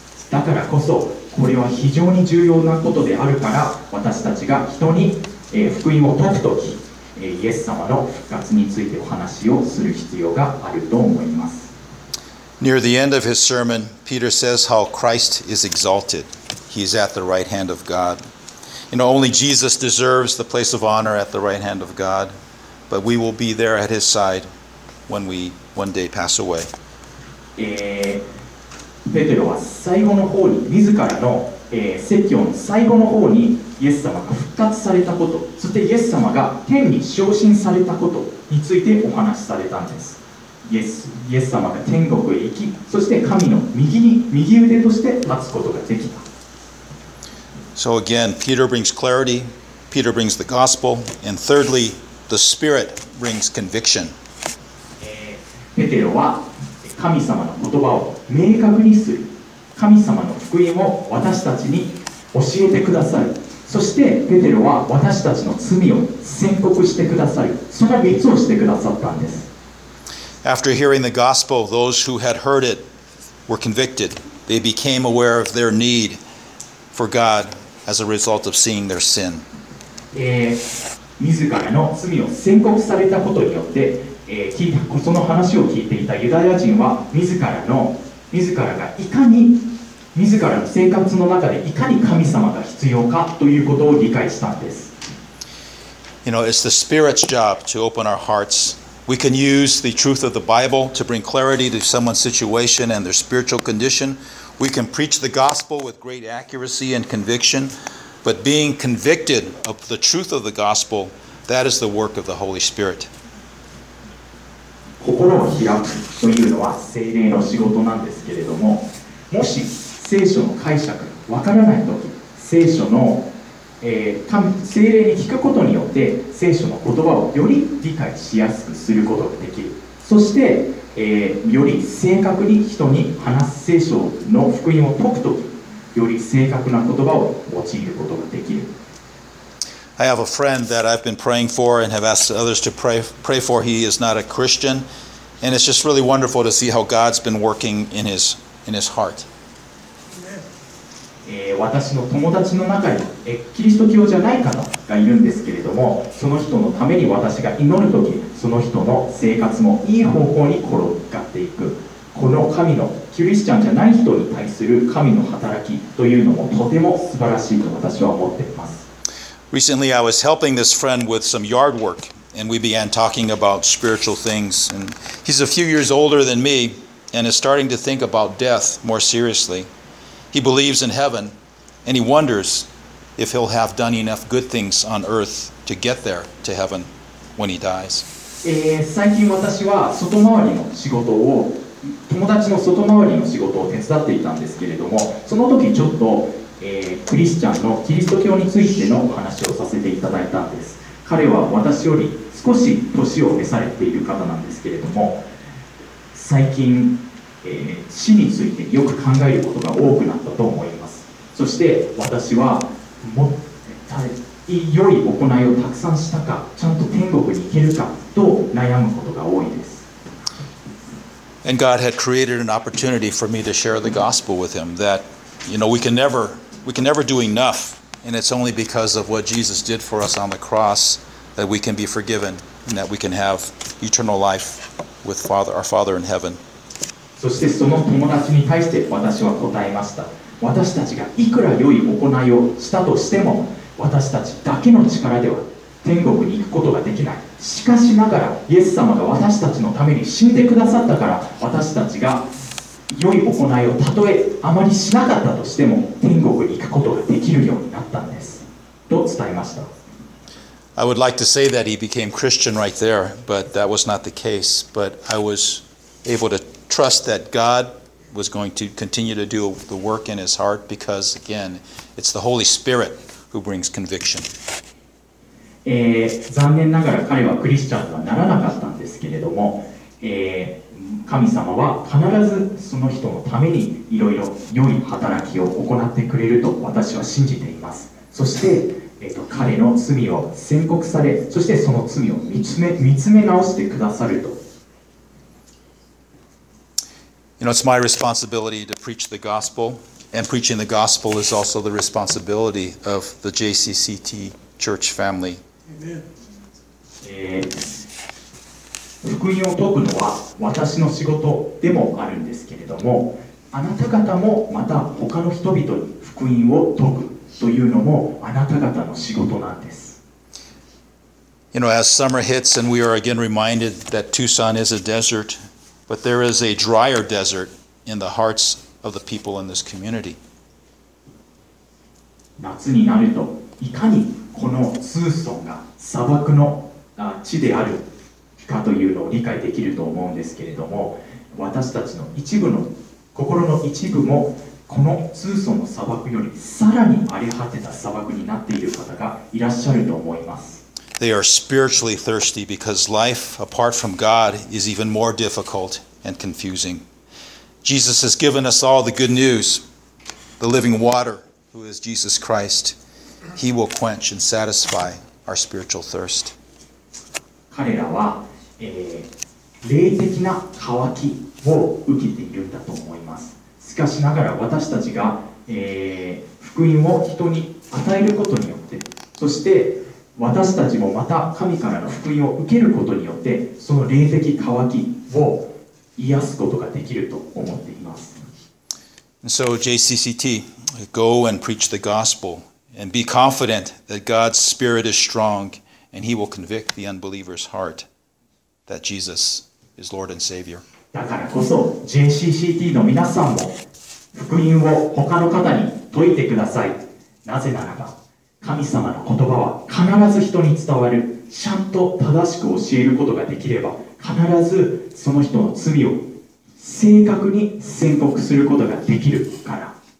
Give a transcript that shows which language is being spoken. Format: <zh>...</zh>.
<ja>だからこそこれは非常に重要なことであるから、私たちが人に、福音を説くとき、イエス様の復活についてお話をする必要があると思います。</ja> <en>Near the end of his sermon, Peter says how Christ is exalted. He is at the right hand of GodYou know, only Jesus deserves the place of honor at the right hand of God, but we will be there at his side when we one day pass away.</en> <ja>ペテロは最後の方に、自らの、説教の最後の方にイエス様が復活されたこと、そしてイエス様が天に昇進されたことについてお話しされたんです。イエス様が天国へ行き、そして神の右腕として立つことができた。</ja> <en>So again, Peter brings clarity, Peter brings the gospel, and thirdly, the Spirit brings conviction.</en> <ja>ペテロは神様の言葉を明確にする、神様の福音を私たちに教えてくださる、そしてペテロは私たちの罪を宣告してくださる、その3つをしてくださったんです。</ja> <en>After hearing the gospel, those who had heard it were convicted. They became aware of their need for God as a result of seeing their sin.</en> <ja>自らの罪を宣告されたことによって、聞いたその話を聞いていたユダヤ人は、自らがいかに、自らの生活の中でいかに神様が必要かということを理解したんです。</ja> <en>You know, it's the Spirit's job to open our hearts. We can use the truth of the Bible to bring clarity to someone's situation and their spiritual condition. We can preach the gospel with great accuracy and conviction, but being convicted of the truth of the gospel, that is the work of the Holy Spirit.</en> <ja>心を開くというのは聖霊の仕事なんですけれども、もし聖書の解釈がわからないとき、聖書の、聖霊に聞くことによって聖書の言葉をより理解しやすくすることができる。そして、より正確に人に話す聖書の福音を説くと、より正確な言葉を用いることができる。</ja> <en>I have a friend that I've been praying for and have asked others to pray for. He is not a Christian, and it's just really wonderful to see how God's been working in his heart.</en> <ja>私の友達の中にキリスト教じゃない方がいるんですけれども、その人のために私が祈るとき、その人の生活もいい方向に転がっていく。この神のキリスチャンじゃない人に対する神の働きというのもとても素晴らしいと私は思っています。</ja> <en>Recently, I was helping this friend with some yard work, and we began talking about spiritual things. And he's a few years older than me and is starting to think about death more seriously. He believes in heaven, and he wonders if he'll have done enough good things on earth to get there to heaven when he dies.</en> <ja>最近私は外回りの仕事を、友達の外回りの仕事を手伝っていたんですけれども、その時ちょっとクリスチャンのキリスト教についてのお話をさせていただいたんです。彼は私より少し年を召されている方なんですけれども、最近、死についてよく考えることが多くなったと思います。そして私はもっと良い行いをたくさんしたか、ちゃんと天国に行けるかと悩むことが多いです。</ja> <en>And God had created an opportunity for me to share the gospel with him thatYou know, we can never do enough, and it's only because of what Jesus did for us on the cross that we can be forgiven and that we can have eternal life with Father, our Father in heaven.</en> <ja>そしてその友達に対して私は答えました。私たちがいくら良い行いをしたとしても、私たちだけの力では天国に行くことができない。しかしながら、イエス様が私たちのために死んでくださったから、私たちが良い行いをたとえあまりしなかったとしても天国に行くことができるようになったんですと伝えました。</ja> <en>I would like to say that he became Christian right there, but that was not the case. But I was able to trust that God was going to continue to do the work in his heart because, again, it's the Holy Spirit who brings conviction.</en> <ja>残念ながら彼はクリスチャンとはならなかったんですけれども、神様は必ずその人のためにいろいろ良い働きを行ってくれると私は信じています。そして、彼の罪を宣告され、そしてその罪を見つめ直してくださると。</ja> <en>You know, it's my responsibility to preach the gospel, and preaching the gospel is also the responsibility of the JCCT church family. Amen.</en> <ja>福音を説くのは私の仕事でもあるんですけれども、あなた方もまた他の人々に福音を説くというのもあなた方の仕事なんです。</ja> <en>You know, as summer hits and we are again reminded that Tucson is a desert, but there is a drier desert in the hearts of the people in this community.</en> <ja>夏になるといかにこのツーソンが砂漠の地であるかというのを理解できると思うんですけれども、私たちの一部の心の一部もこのツーソンの砂漠よりさらに荒れ果てた砂漠になっている方がいらっしゃると思います。</ja> <en>They are spiritually thirsty because life apart from God is even more difficult and confusing. Jesus has given us all the good news, the living water who is Jesus Christ. He will quench and satisfy our spiritual thirst.</en> <ja>彼らは、霊的な渇きを受けているんだと思います。しかしながら私たちが、福音を人に与えることによって、そして私たちもまた神からの福音を受けることによって、その霊的渇きを癒すことができると思っています。</ja> <en>So JCCT, go and preach the gospel and be confident that God's Spirit is strong. And he will convict the unbeliever's heart that Jesus is Lord and Savior.</en> <ja>だからこそ JCCT の皆さんも福音を他の方に説いてください。なぜならば神様の言葉は必ず人に伝わる。ちゃんと正しく教えることができれば、必ずその人の罪を正確に宣告することができるから。</ja>